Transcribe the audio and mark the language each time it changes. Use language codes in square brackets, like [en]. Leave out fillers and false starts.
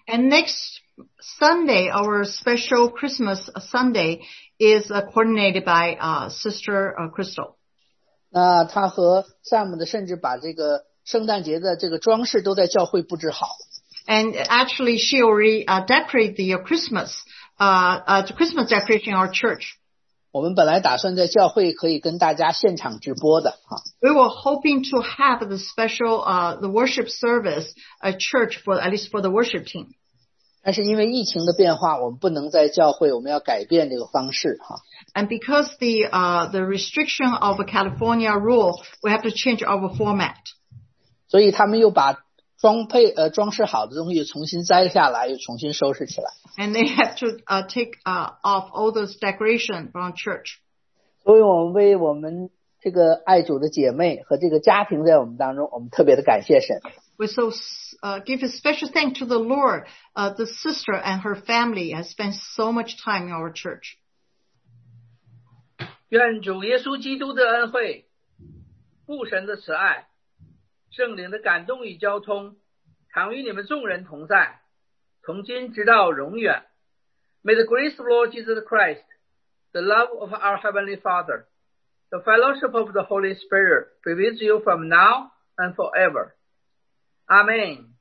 [en] And next Sunday, our special Christmas Sunday is coordinated by Sister Crystal. [zh] 那他和 Sam 的甚至把这个圣诞节的这个装饰都在教会布置好。 [en] And actually, she already decorated the Christmas decoration in our church. [zh] 我们本来打算在教会可以跟大家现场直播的。 [en] We were hoping to have the special the worship service at church for at least for the worship team. [zh] 但是因为疫情的变化，我们不能在教会，我们要改变这个方式。 [en] And because the restriction of a California rule, we have to change our format. [zh] 所以他们又把装饰好的东西重新摘下来，又重新收拾起来。 [en] And they have to take off all those decorations from church. [zh] 所以我们为我们这个爱主的姐妹和这个家庭在我们当中，我们特别的感谢神。 [en] We so give a special thank to the Lord, the sister and her family has spent so much time in our church. [zh] 愿主耶稣基督的恩惠、父神的慈爱、圣灵的感动与交通，常与你们众人同在，从今直到永远。 [en] May the grace of Lord Jesus Christ, the love of our Heavenly Father, the fellowship of the Holy Spirit be with you from now and forever. Amen.